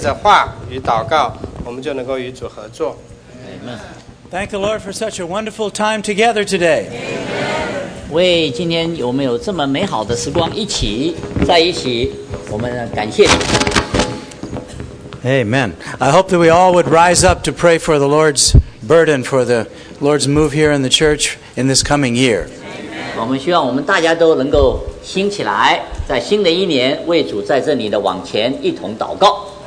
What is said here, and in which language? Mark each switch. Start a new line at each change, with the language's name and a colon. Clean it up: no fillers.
Chinese: 但以理书九章给我们看见，但以理他接受了神的话，他也以这样的话向神祷告。所以我们需要接受神的话，不仅是要知道一些什么资料而已，我们乃是接受神的话，然后以我们的祷告与他有配合，这样借着话与祷告，我们就能够与主合作。
English: Amen. Thank the Lord for such a wonderful time together today. Amen.
Chinese: 为今天我们有这么美好的时光一起在一起，我们感谢主。
English: Amen. I hope that we all would rise up to pray for the Lord's burden, for the Lord's move here in the church in this coming year. Amen.
Chinese: 我们希望我们大家都能够兴起来，在新的一年为主在这里的往前一同祷告。